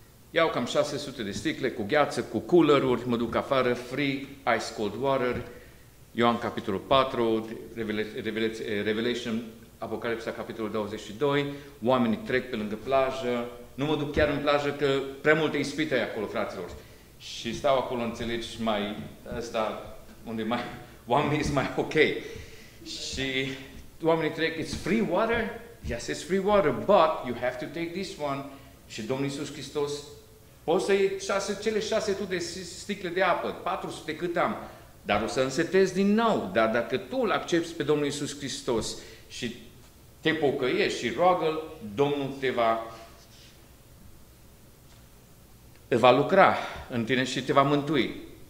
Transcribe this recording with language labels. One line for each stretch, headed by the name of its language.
Romanian: Iau cam 600 de sticle cu gheață, cu cooleruri, mă duc afară,
English: free, ice cold water,
Romanian: Ioan capitolul 4, Revelation, Apocalipsa capitolul 22, oamenii trec pe lângă plajă, nu mă duc chiar în plajă că prea multe ispite ai acolo, fraților. Și stau acolo, înțelegi, mai ăsta, unde mai, oamenii sunt mai ok. Și oamenii trec,
English: it's free water? Yes, it's free water, but you have to take this one.
Romanian: Și Domnul Iisus Hristos, poți să iei cele șase tu de sticle de apă, 400 cât am, dar o să însetezi din nou. Dar dacă tu îl accepți pe Domnul Iisus Hristos și te pocăiești și roagă-L, Domnul te va lucra în tine și te va mântui.